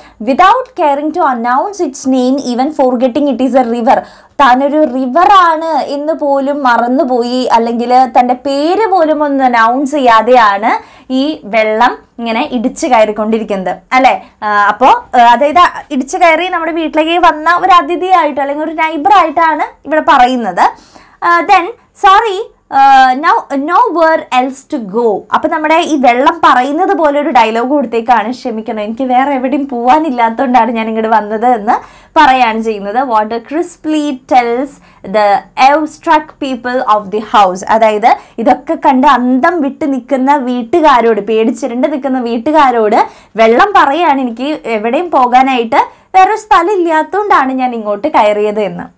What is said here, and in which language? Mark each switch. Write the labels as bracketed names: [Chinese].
[English] without caring to announce its name even forgetting it is a river, [Malayalam] താനൊരു റിവറാണ് എന്ന് പോലും മറന്നുപോയി, അല്ലെങ്കിൽ തൻ്റെ പേര് പോലും ഒന്ന് അനൗൺസ് ചെയ്യാതെയാണ് ഈ വെള്ളം ഇങ്ങനെ ഇടിച്ച് കയറിക്കൊണ്ടിരിക്കുന്നത് അല്ലേ. അപ്പോൾ അതായത് ഇടിച്ച് കയറി നമ്മുടെ വീട്ടിലേക്ക് വന്ന ഒരു അതിഥിയായിട്ട് അല്ലെങ്കിൽ ഒരു നൈബറായിട്ടാണ് ഇവിടെ പറയുന്നത്. [English] Then sorry Now, nowhere else to go. [Malayalam] അപ്പം നമ്മുടെ ഈ വെള്ളം പറയുന്നത് പോലൊരു ഡയലോഗ് കൊടുത്തേക്കാണ് ക്ഷമിക്കണം, എനിക്ക് വേറെ എവിടെയും പോകാനില്ലാത്തതുകൊണ്ടാണ് ഞാൻ ഇങ്ങോട്ട് വന്നത് എന്ന് പറയുകയാണ് ചെയ്യുന്നത്. [English] water crisply tells the awestruck people of the house, [Malayalam] അതായത് ഇതൊക്കെ കണ്ട് അന്തം വിട്ട് നിൽക്കുന്ന വീട്ടുകാരോട്, പേടിച്ചിരണ്ട് നിൽക്കുന്ന വീട്ടുകാരോട് വെള്ളം പറയുകയാണ് എനിക്ക് എവിടെയും പോകാനായിട്ട് വേറെ ഒരു സ്ഥലം ഇല്ലാത്തതുകൊണ്ടാണ് ഞാൻ ഇങ്ങോട്ട് കയറിയത് എന്ന്.